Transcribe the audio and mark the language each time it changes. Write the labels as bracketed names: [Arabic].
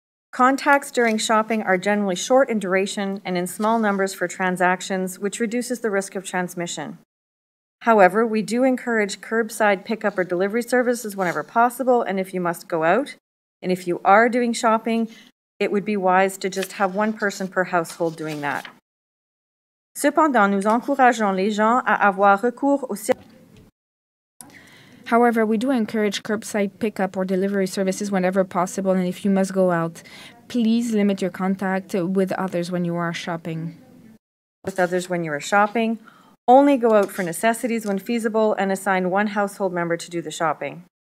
[English] Contacts during shopping are generally short in duration and in small numbers for transactions, which reduces the risk of transmission. However, we do encourage curbside pickup or delivery services whenever possible and if you must go out. And if you are doing shopping, it would be wise to just have one person per household doing that. [French] Cependant, nous encourageons les gens à avoir recours au service. [English] However, we do encourage curbside pickup or delivery services whenever possible, and if you must go out, please limit your contact with others when you are shopping. Only go out for necessities when feasible and assign one household member to do the shopping.